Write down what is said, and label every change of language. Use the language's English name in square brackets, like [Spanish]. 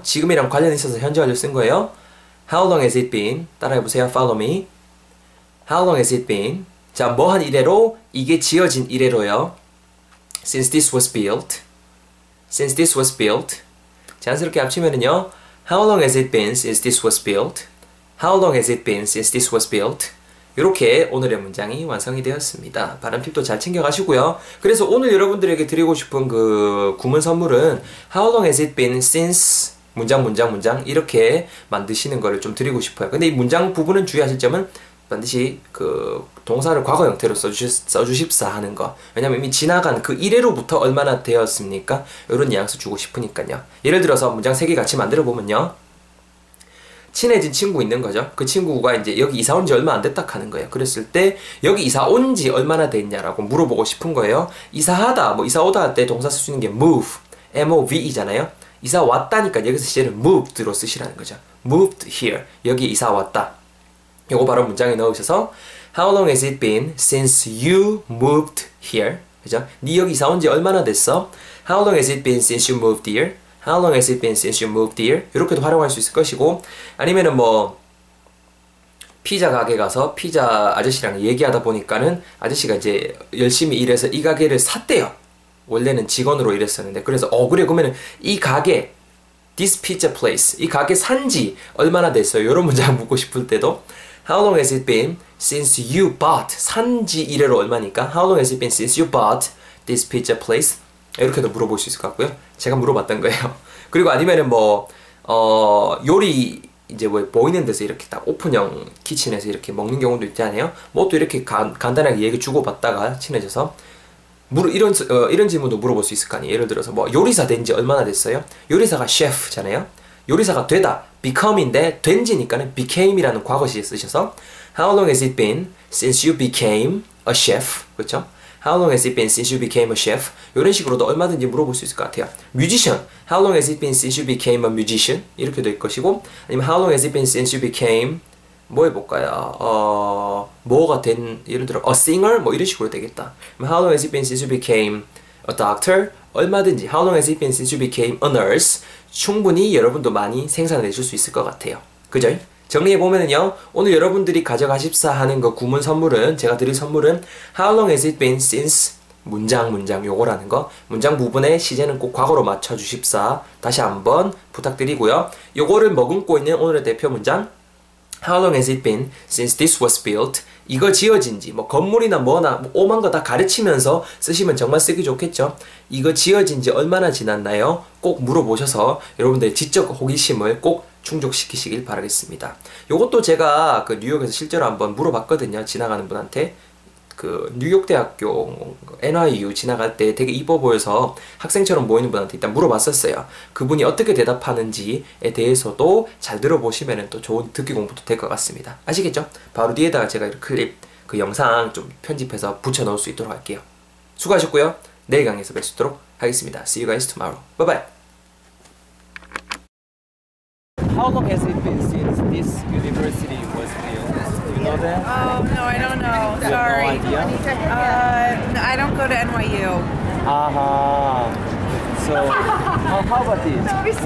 [Korean] 지금이랑 관련 있어서 현재 완료 쓴 거예요. [English] How long has it been? [Korean] 따라해 보세요. [English] Follow me. How long has it been? [Korean] 자, 뭐한 이래로? 이게 지어진 이래로요. [English] Since this was built. Since this was built. [Korean] 자연스럽게 합치면은요. [English] How long has it been since this was built? How long has it been since this was built? [Korean] 이렇게 오늘의 문장이 완성이 되었습니다. 발음 팁도 잘 챙겨가시고요. 그래서 오늘 여러분들에게 드리고 싶은 그 구문 선물은 [English] How long has it been since [Korean] 문장 이렇게 만드시는 거를 좀 드리고 싶어요. 근데 이 문장 부분은 주의하실 점은 반드시 그 동사를 과거 형태로 써주십사 하는 거. 왜냐면 이미 지나간 그 이래로부터 얼마나 되었습니까? 이런 뉘앙스 주고 싶으니까요. 예를 들어서 문장 3개 같이 만들어 보면요. 친해진 친구 있는 거죠. 그 친구가 이제 여기 이사 온지 얼마 안 됐다 하는 거예요. 그랬을 때 여기 이사 온지 얼마나 됐냐라고 물어보고 싶은 거예요. 이사하다, 뭐 이사 오다 할때 동사 쓸수 있는 게 move, MOV이잖아요. 이사 왔다니까 여기서 시제를 moved로 쓰시라는 거죠. [English] Moved here. [Korean] 여기 이사 왔다. 요거 바로 문장에 넣으셔서 [English] How long has it been since you moved here? [Korean] 그죠? 니 여기 이사 온지 얼마나 됐어? [English] How long has it been since you moved here? How long has it been since you moved here? [Korean] 이렇게도 활용할 수 있을 것이고 아니면은 뭐 피자 가게 가서 피자 아저씨랑 얘기하다 보니까는 아저씨가 이제 열심히 일해서 이 가게를 샀대요. 원래는 직원으로 일했었는데 그래서 그래 그러면은 이 가게 [English] This pizza place [Korean] 이 가게 산지 얼마나 됐어? 이런 문장 묻고 싶을 때도 [English] How long has it been since you bought? [Korean] 산지 이래로 얼마니까? [English] How long has it been since you bought this pizza place? [Korean] 이렇게도 물어볼 수 있을 것 같고요. 제가 물어봤던 거예요. 그리고 아니면은 뭐, 요리, 이제 뭐, 보이는 데서 이렇게 딱 오픈형 키친에서 이렇게 먹는 경우도 있지 않아요? 뭐또 이렇게 간단하게 얘기 주고받다가 친해져서. 이런 질문도 물어볼 수 있을 거 아니에요? 예를 들어서 뭐, 요리사 된지 얼마나 됐어요? 요리사가 셰프잖아요? 요리사가 되다, become인데 된지니까는 became이라는 과거시제 쓰셔서 [English] How long has it been since you became a chef? [Korean] 그렇죠? [English] How long has it been since you became a chef? [Korean] 이런 식으로도 얼마든지 물어볼 수 있을 것 같아요. [English] Musician, How long has it been since you became a musician? [Korean] 이렇게 될 것이고 아니면 [English] How long has it been since you became [Korean] 뭐 해볼까요? 뭐가 된 예를 들어 [English] a singer [Korean] 뭐 이런 식으로 되겠다. [English] How long has it been since you became a doctor? 얼마든지 How long has it been since you became a nurse? [Korean] 충분히 여러분도 많이 생산해 주실 수 있을 것 같아요. 그죠? 정리해 보면은요, 오늘 여러분들이 가져가십사 하는 그 구문 선물은 제가 드릴 선물은 [English] How long has it been since [Korean] 문장 요거라는 거 문장 부분에 시제는 꼭 과거로 맞춰 주십사 다시 한번 부탁드리고요. 요거를 머금고 있는 오늘의 대표 문장 [English] How long has it been since this was built? [Korean] 이거 지어진지 뭐 건물이나 뭐나 뭐 오만 거다 가르치면서 쓰시면 정말 쓰기 좋겠죠. 이거 지어진 지 얼마나 지났나요? 꼭 물어보셔서 여러분들의 지적 호기심을 꼭 충족시키시길 바라겠습니다. 요것도 제가 그 뉴욕에서 실제로 한번 물어봤거든요. 지나가는 분한테. 그 뉴욕대학교 NYU 지나갈 때 되게 이뻐 보여서 학생처럼 보이는 분한테 일단 물어봤었어요. 그분이 어떻게 대답하는지에 대해서도 잘 들어보시면 또 좋은 듣기 공부도 될것 같습니다. 아시겠죠? 바로 뒤에다가 제가 이 클립, 그 영상 좀 편집해서 붙여 넣을 수 있도록 할게요. 수고하셨고요. 내일 강의에서 뵐수 있도록 하겠습니다. [English] See you guys tomorrow. Bye bye. How long has it been since this university was built? Do you know that? No, I don't know. You have no Sorry. idea? I don't go go to NYU. Aha. So, how about this? That would be so